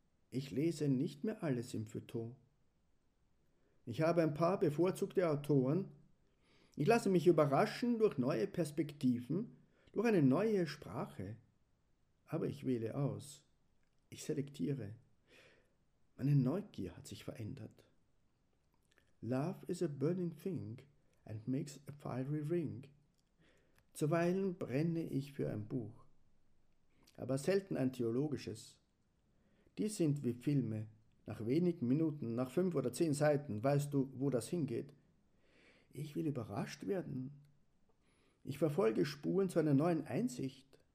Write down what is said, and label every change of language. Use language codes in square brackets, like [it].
[de] Ich lese nicht mehr alles im Feuilleton. Ich habe ein paar bevorzugte Autoren. Ich lasse mich überraschen durch neue Perspektiven, durch eine neue Sprache. Aber ich wähle aus. Ich selektiere. Meine Neugier hat sich verändert. [en] Love is a burning thing and makes a fiery ring. [de] Zuweilen brenne ich für ein Buch, aber selten ein theologisches. Die sind wie Filme. Nach wenigen Minuten, nach 5 oder 10 Seiten, weißt du, wo das hingeht. Ich will überrascht werden. Ich verfolge Spuren zu einer neuen Einsicht.